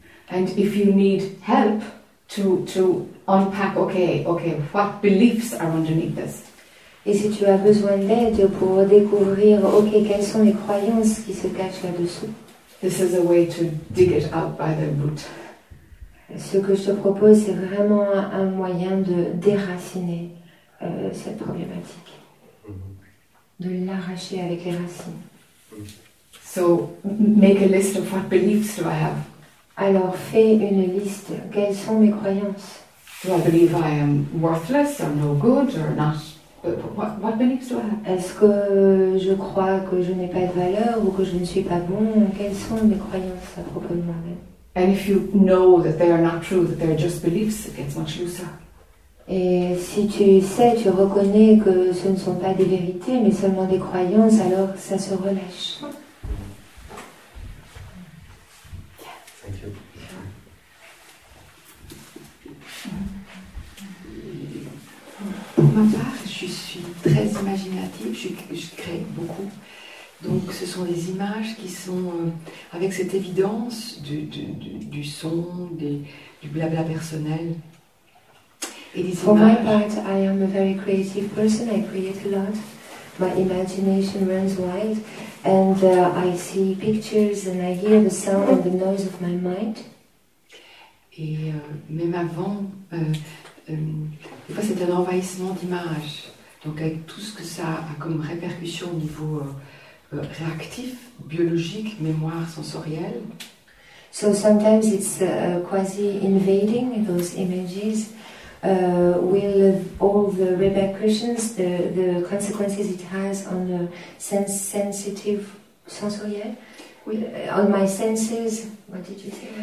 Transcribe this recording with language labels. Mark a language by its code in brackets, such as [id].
[en] and if you need help to unpack okay what beliefs are underneath this. [fr] Et si tu as besoin d'aide pour découvrir, ok, quelles sont les croyances qui se cachent là-dessous? [en] This is a way to dig it out by the root. [fr] Ce que je te propose, c'est vraiment un moyen de déraciner cette problématique, de l'arracher avec les racines. [en] So, make a list of what beliefs do I have? [fr] Alors, fais une liste. Quelles sont mes croyances? [en] Do I believe I am worthless or no good or not? What beliefs do I have? [fr] Est-ce que je crois que je n'ai pas de valeur ou que je ne suis pas bon? Quelles sont mes croyances à propos de moi-même? [en] And if you know that they are not true, that they are just beliefs, it gets much looser. [fr] Et si tu sais, tu reconnais que ce ne sont pas des vérités, mais seulement des croyances, alors ça se relâche. Je suis très imaginative, je crée beaucoup. Donc ce sont des images qui sont avec cette évidence du son, du blabla personnel. Et des images... [en] For my part, I am a very creative person, I create a lot. My imagination runs wide and I see pictures and I hear the sound and the noise of my mind. [fr] Et même avant, des fois c'est un envahissement d'images. Donc avec tout ce que ça a comme répercussion au niveau réactif, biologique, mémoire, sensoriel. [en] So sometimes it's quasi invading those images with all the repercussions, the consequences it has on the sensitive sensoriel. [fr] Oui. [en] On my senses. What did you say?